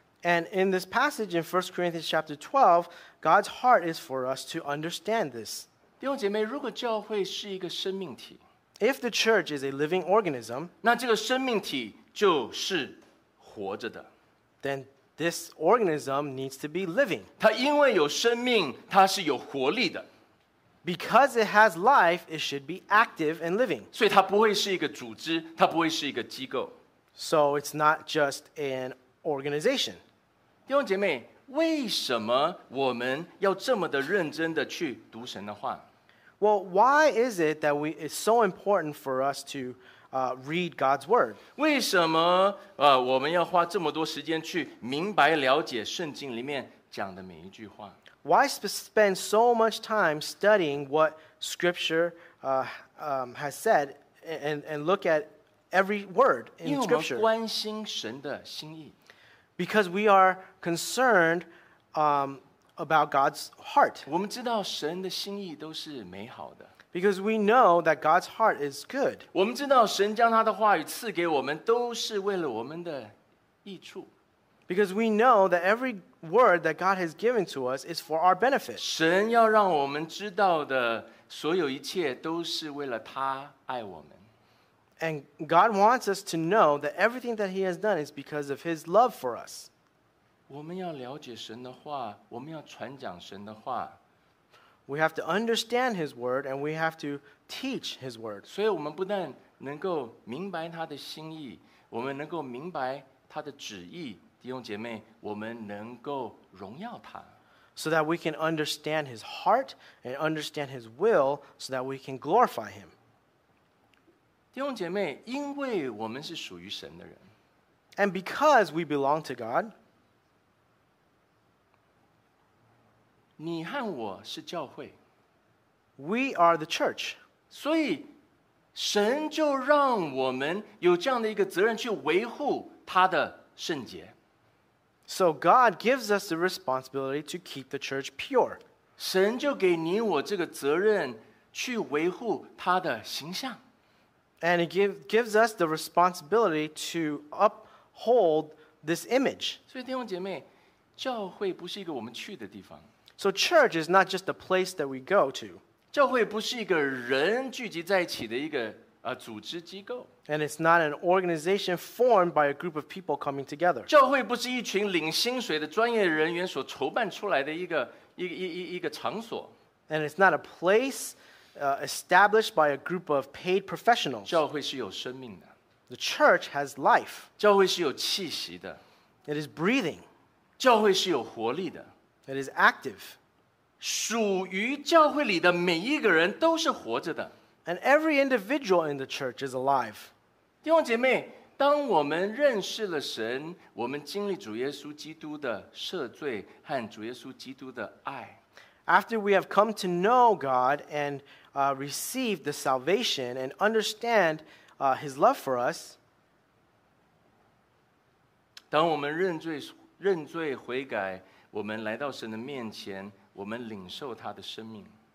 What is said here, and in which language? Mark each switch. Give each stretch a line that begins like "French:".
English: And in this passage in 1 Corinthians chapter 12, God's heart is for us to understand this.
Chinese: 弟兄姐妹，如果教会是一个生命体，
English: If the church is a living organism,
Chinese: 那这个生命体就是活着的。
English: Then this organism needs to be living.
Chinese: 它因为有生命，它是有活力的。
English: Because it has life, it should be active and living.
Chinese: 所以它不会是一个组织，它不会是一个机构。
English: So it's not just an organization.
Chinese: 弟兄姐妹，为什么我们要这么的认真的去读神的话？
English: Well, why is it that it's so important for us to read God's word?
Chinese: 为什么我们要花这么多时间去明白了解圣经里面讲的每一句话？
English: Why spend so much time studying what scripture has said and look at every word in scripture?
Chinese: 因为我们关心神的心意。
English: Because we are concerned about God's heart.
Chinese: 我们知道神的心意都是美好的。
English: Because we know that God's heart is good.
Chinese: 我们知道神将他的话语赐给我们都是为了我们的益处。
English: Because we know that every word that God has given to us is for our benefit.
Chinese: 神要让我们知道的所有一切都是为了他爱我们。
English: And God wants us to know that everything that he has done is because of his love for us.
Chinese: 我们要了解神的话，我们要传讲神的话。
English: We have to understand his word and we have to teach his word.
Chinese: 所以我们不但能够明白他的心意，我们能够明白他的旨意，弟兄姐妹，我们能够荣耀他。
English: So that we can understand his heart and understand his will so that we can glorify him.
Chinese: 弟兄姐妹，因为我们是属于神的人。
English: And because we belong to God,
Chinese: 你和我是教会。
English: We are the church.
Chinese: 所以神就让我们有这样的一个责任去维护他的圣洁。
English: So God gives us the responsibility to keep the church pure.
Chinese: 神就给你我这个责任去维护他的形象。
English: And it gives us the responsibility to uphold this image.
Chinese: 所以弟兄姐妹，教会不是一个我们去的地方。
English: So church is not just a place that we go to.
Chinese: 教会不是一个人聚集在一起的一个组织机构。
English: And it's not an organization formed by a group of people coming together.
Chinese: 教会不是一群领薪水的专业人员所筹办出来的一个场所。
English: And it's not a place established by a group of paid professionals.
Chinese: 教会是有生命的。
English: The church has life.
Chinese: 教会是有气息的。
English: It is breathing.
Chinese: 教会是有活力的。
English: It is active.
Chinese: 属于教会里的每一个人都是活着的。
English: And every individual in the church is alive.
Chinese: 弟兄姐妹，当我们认识了神，我们经历主耶稣基督的赦罪和主耶稣基督的爱。
English: After we have come to know God and receive the salvation and understand His love for us,
Chinese: 当我们认罪悔改，我们来到神的面前，我们领受他的生命。